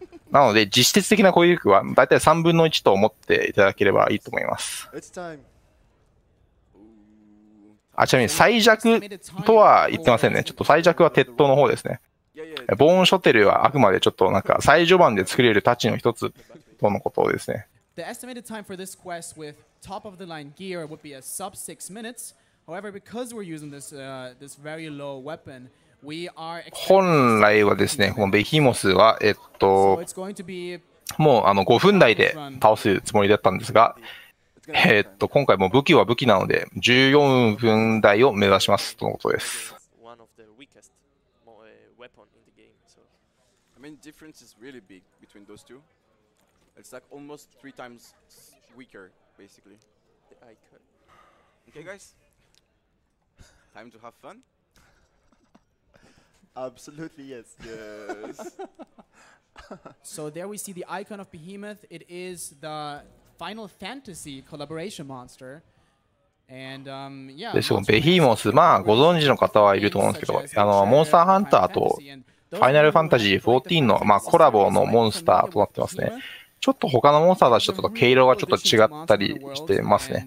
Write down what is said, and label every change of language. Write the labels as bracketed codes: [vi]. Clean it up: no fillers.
[ja] なので、実質的な攻撃力は大体3分の1と思っていただければいいと思います。あ、ちなみに最弱とは言ってませんね。ちょっと最弱は鉄塔の方ですね。ボーンショテルはあくまでちょっとなんか最序盤で作れるタッチの一つとのことですね。 [en] The estimated time for this quest with top of the line gear would be a sub 6 minutes. However, because we're using this, this very low weapon, we are. [ja] 本来はですね、このベヒモスは、もう5分台で倒すつもりだったんですが、今回も武器は武器なので、14分台を目指しますとのことです。 [en] One of the weakest weapon in the game. So, I mean, difference is really big between those two. It's like almost three times weaker, basically. I could. Okay, guys. Time to have fun. Absolutely yes. Yes. So there we see the icon of Behemoth. It is the Final Fantasy collaboration monster. [ja] でしょ、ベヒーモス、まあご存知の方はいると思うんですけど、モンスターハンターとファイナルファンタジー14のまあコラボのモンスターとなってますね。ちょっと他のモンスターたちと毛色がちょっと違ったりしてますね。